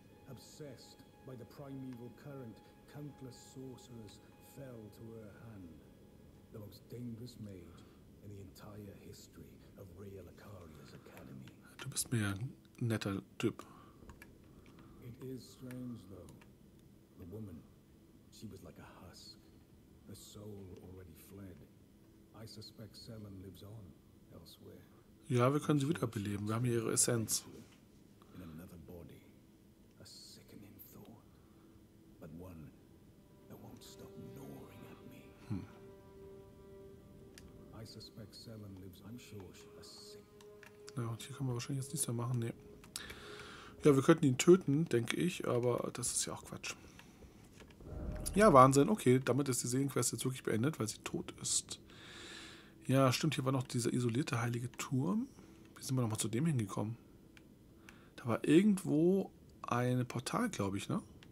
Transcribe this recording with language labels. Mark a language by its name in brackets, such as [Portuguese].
[English] Obsessed by the primeval current, countless sorcerers fell to her hand. The most dangerous mage in the entire history of Real Acaria's Academy. [German] Du bist mir ein netter Typ. [English] It is strange though. The woman, she was like a husk. Her soul already fled. I suspect Selen lives on elsewhere. [German] Ja, wir können sie wiederbeleben. Wir haben hier ihre Essenz. [English] In another body. A sickening thought. But one that won't stop gnawing at me. I suspect Selen lives on. I'm sure she's sick. [German] Ja, und hier kann man wahrscheinlich jetzt nichts mehr machen. Nee. Ja, wir könnten ihn töten, denke ich, aber das ist ja auch Quatsch. Ja, Wahnsinn. Okay, damit ist die Seelenquest jetzt wirklich beendet, weil sie tot ist. Ja, stimmt, hier war noch dieser isolierte heilige Turm. Wie sind wir nochmal zu dem hingekommen? Da war irgendwo ein Portal, glaube ich, ne?